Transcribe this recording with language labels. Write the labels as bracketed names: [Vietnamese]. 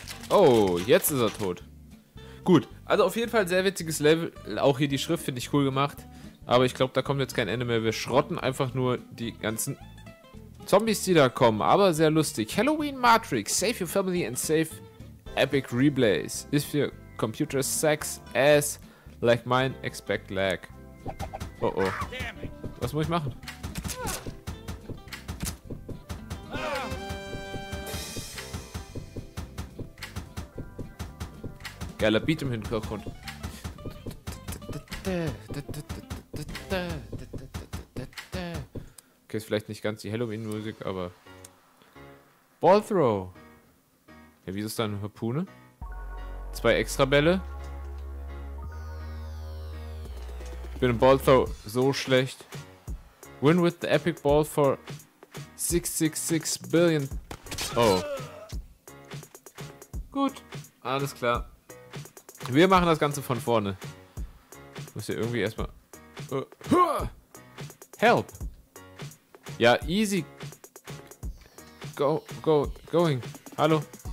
[German] Oh, jetzt ist er tot. Gut, also auf jeden Fall sehr witziges Level. Auch hier die Schrift finde ich cool gemacht. Aber ich glaube, da kommt jetzt kein Ende mehr. Wir schrotten einfach nur die ganzen Zombies, die da kommen, aber sehr lustig. [English] Halloween Matrix, save your family and save epic replays. If your computer sucks ass like mine, expect lag. Oh oh. [German] Was muss ich machen? Geiler Beat im Hintergrund. Okay, ist vielleicht nicht ganz die Halloween-Musik, aber. [English] Ball throw! [German] Ja, wie ist es dann? Harpune? Zwei extra Bälle? Ich bin im Ball throw so schlecht. [English] Win with the epic ball for 666 billion. Oh. [German] Gut. Alles klar. Wir machen das Ganze von vorne. Ich muss ja irgendwie erstmal. [English] Help! Ja, easy. Going. Hallo.